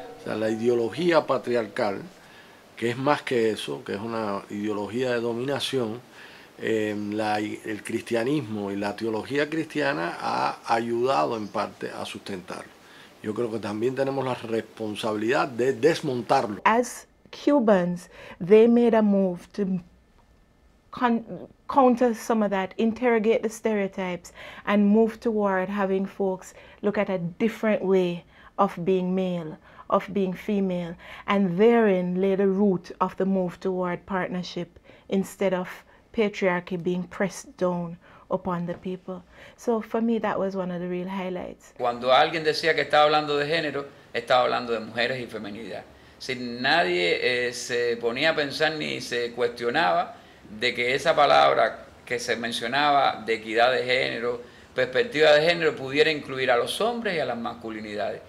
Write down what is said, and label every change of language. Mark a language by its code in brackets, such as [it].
[es] O sea, la ideología patriarcal, que es más que eso, que es una ideología de dominación, el cristianismo y la teología cristiana ha ayudado en parte a sustentarlo. Yo creo que también tenemos la responsabilidad de desmontarlo. [en] As Cubans, they made a move to counter some of that, interrogate the stereotypes, and move toward having folks look at a different way of being male, of being female. And therein lay the root of the move toward partnership instead of patriarchy being pressed down upon the people. So for me that was one of the real highlights. [es] Cuando alguien decía que estaba hablando de género, estaba hablando de mujeres y feminidad. Si nadie se ponía a pensar ni se cuestionaba de que esa palabra que se mencionaba de equidad de género, perspectiva de género, pudiera incluir a los hombres y a las masculinidades.